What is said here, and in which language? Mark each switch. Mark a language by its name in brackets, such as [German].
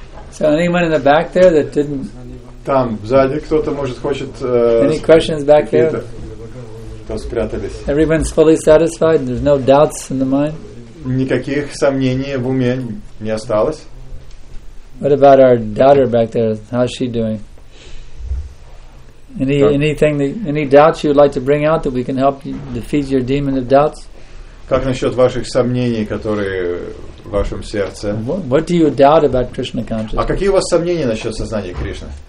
[English] So anyone in the back there that didn't? [Russian] Там сзади кто-то может хочет. [English] Any questions back there? [Russian] Кто спрятались? [English] Everyone's fully satisfied. There's no doubts in the mind. [Russian] Никаких сомнений в уме не осталось. [English] What about our daughter back there? How's she doing? Any doubts you'd like to bring out that we can help you defeat your demon of doubts? [Russian] Как насчет ваших сомнений, которые в вашем сердце? [English] What do you doubt about Krishna consciousness? [Russian] А какие у вас сомнения насчет сознания Кришны?